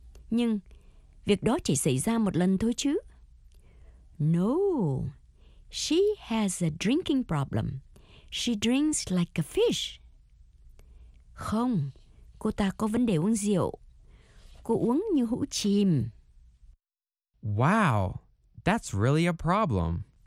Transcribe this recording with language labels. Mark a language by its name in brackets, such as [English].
[Vietnamese] Nhưng việc đó chỉ xảy ra một lần thôi chứ. [English] No, she has a drinking problem. She drinks like a fish. [Vietnamese] Không, cô ta có vấn đề uống rượu. Cô uống như hũ chìm. [English] Wow, that's really a problem.